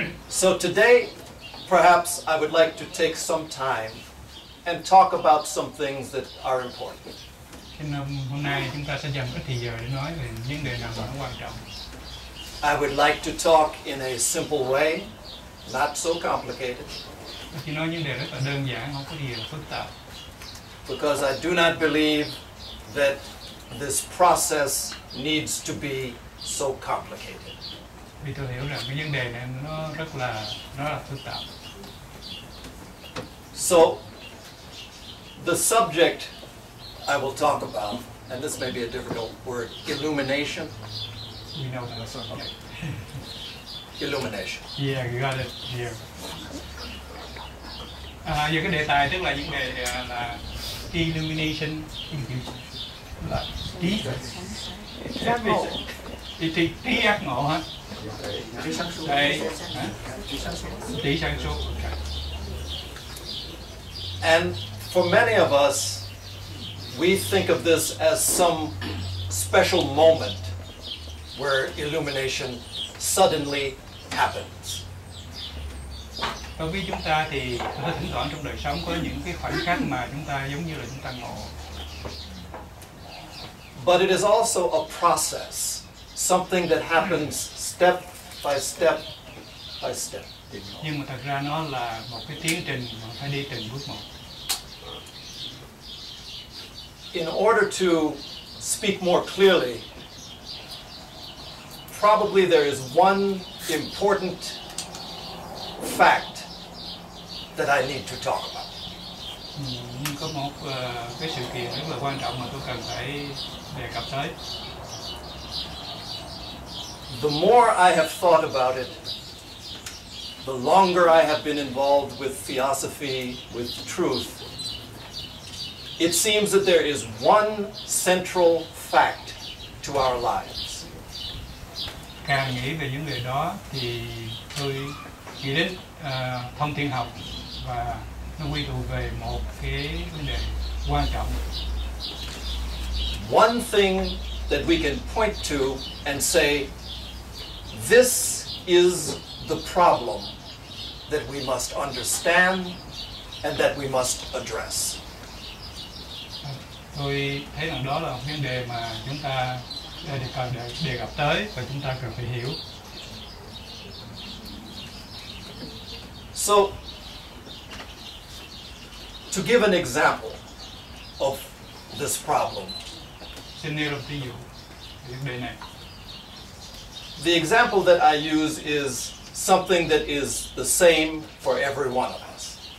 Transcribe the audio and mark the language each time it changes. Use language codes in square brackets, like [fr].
[en] So today, perhaps I would like to take some time and talk about some things that are important. [vi] Hôm nay chúng ta sẽ dành ít thời giờ để nói về những đề nào rất quan trọng. [en] I would like to talk in a simple way, not so complicated. [vi] Chỉ nói những đề rất là đơn giản, không có gì phức tạp. [en] Because I do not believe that this process needs to be so complicated. [vi] Vì tôi hiểu rằng cái vấn đề này nó rất là phức tạp. [en] So the subject I will talk about, and this may be a difficult word, illumination. You know that, so okay. Illumination. Yeah, you got it here. [vi] Giờ cái đề tài tức là những đề là illumination. Là trí trí giác ngộ hả? Trí sáng suốt. [en] And for many of us, we think of this as some special moment where illumination suddenly happens. [vi] Đối với chúng ta thì thỉnh thoảng trong đời sống có những cái khoảnh khắc mà chúng ta giống như là chúng ta ngộ. [en] But it is also a process, something that happens step by step by step. [vi] Nhưng mà thật ra nó là một cái tiến trình mà phải đi từng bước một. [en] In order to speak more clearly, probably there is one important fact that I need to talk about. [vi] Có một cái sự kiện rất là quan trọng mà tôi cần phải đề cập tới. [en] The more I have thought about it, the longer I have been involved with theosophy, with truth, it seems that there is one central fact to our lives. [vi] Càng nghĩ về những điều đó thì tôi nghĩ đến thông thiên học và nó quy tụ về một cái vấn đề quan trọng. [en] One thing that we can point to and say, this is the problem that we must understand and that we must address. [vi] Tôi thấy rằng đó là một vấn đề mà chúng ta cần đề cập tới và chúng ta cần phải hiểu. [en] So, to give an example of this problem. The example that I use is something that is the same for every one of us.